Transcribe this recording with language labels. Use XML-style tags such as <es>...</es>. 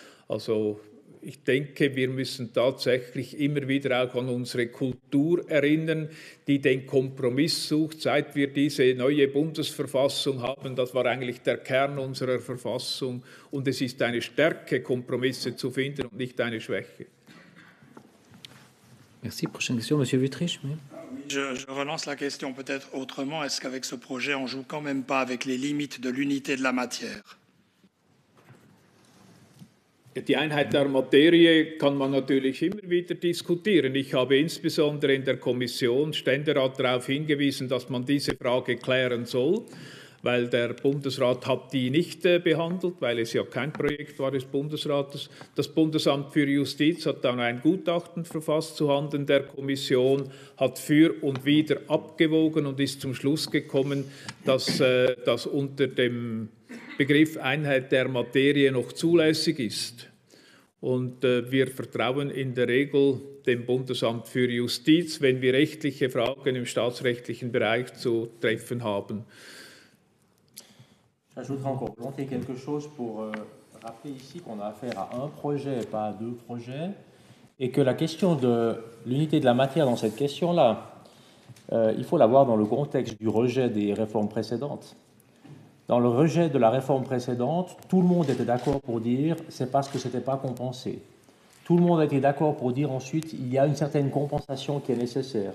<de>Also ich denke, wir müssen tatsächlich immer wieder auch an unsere Kultur erinnern, die den Kompromiss sucht, seit wir diese neue Bundesverfassung haben. Das war eigentlich der Kern unserer Verfassung. Und es ist eine Stärke, Kompromisse zu finden und nicht eine Schwäche.</de> <fr>Merci. Prochaine question, Monsieur Wittrich. Je relance la question peut-être autrement. Est-ce qu'avec ce projet, on joue quand même pas avec les limites de l'unité de la matière?</fr> <de>Die Einheit der Materie kann man natürlich immer wieder diskutieren. Ich habe insbesondere in der Kommission Ständerat darauf hingewiesen, dass man diese Frage klären soll, weil der Bundesrat hat die nicht behandelt, weil es ja kein Projekt war des Bundesrates. Das Bundesamt für Justiz hat dann ein Gutachten verfasst zuhanden der Kommission, hat für und wider abgewogen und ist zum Schluss gekommen, dass das unter dem Begriff Einheit der Materie noch zulässig ist. Und wir vertrauen in der Regel dem Bundesamt für Justiz, wenn wir rechtliche Fragen im staatsrechtlichen Bereich zu treffen haben. Ich möchte noch etwas sagen, um hier zu rappeler, dass wir hier ein Projekt haben, nicht zwei Projekte. Und dass die</de> <fr>Question de l'unité de la matière dans cette question-là, il faut la voir dans le contexte du rejet des réformes précédentes. Dans le rejet de la réforme précédente, tout le monde était d'accord pour dire que c'est parce que ce n'était pas compensé. Tout le monde était d'accord pour dire ensuite qu'il y a une certaine compensation qui est nécessaire.</fr>